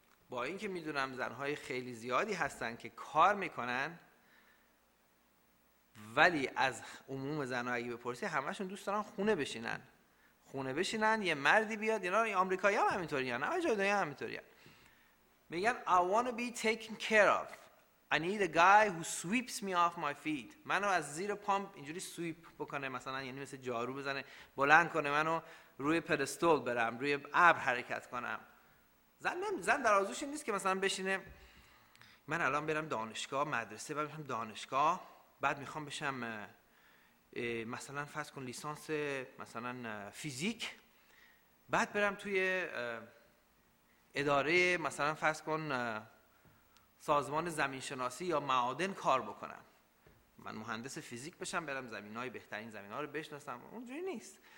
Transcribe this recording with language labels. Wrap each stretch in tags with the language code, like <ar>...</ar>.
<fa>با اینکه میدونم زنهای خیلی زیادی هستن که کار میکنن، ولی از عموم زنهایی بپرسی همشون دوست دارن خونه بشینن یه مردی بیاد. اینا آمریکایی هم همینطوری هستن، همه جای دنیا هم همینطوری هستن. میگن</fa> <en>I want to be taken care of. I need a guy who sweeps me off my feet.</en> <fa>منو از زیر پام اینجوری سویپ بکنه، مثلا یعنی مثل جارو بزنه بلند کنه منو روی پدستول برم، روی ابر حرکت کنم. زن در آرزوش نیست که مثلا بشینه من الان برم دانشگاه، مدرسه، بعد میخوام دانشگاه، بعد میخوام بشم مثلا فرض کن لیسانس مثلا فیزیک، بعد برم توی اداره مثلا فرض کن سازمان زمینشناسی یا معادن کار بکنم، من مهندس فیزیک بشم برم زمینای بهترین زمینا رو بشناسم. اونجوری نیست.</fa>